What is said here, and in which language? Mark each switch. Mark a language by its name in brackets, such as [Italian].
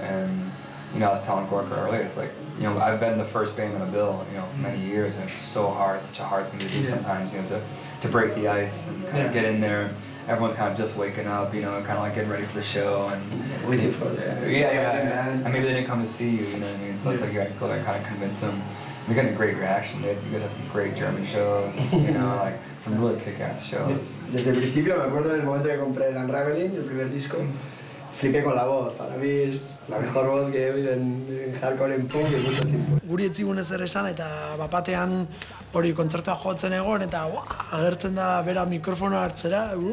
[English] And you know, I was telling Gorka earlier, it's like, you know, I've been the first band on a bill, you know, for many years, and it's so hard, such a hard thing to do sometimes, you know, to break the ice and kind of get in there. Everyone's kind of just waking up, you know, kind of like getting ready for the show. And we did for that. Yeah. And maybe they didn't come to see you, you know what I mean? So it's like you got to go there and kind of convince them. We got a great reaction. You guys had some great German shows, you know, like some really kick-ass shows. [Spanish] Desde el principio me acuerdo del momento que compré el Unraveling, el primer disco. Flipé con la voz. Para mí es la mejor voz que he oído en hardcore en punk de mucho tiempo. [Basque] Guri etzigun ezer esan eta bapatean hori kontzertua jotzen egon eta agertzen da bera mikrofonoa hartzera.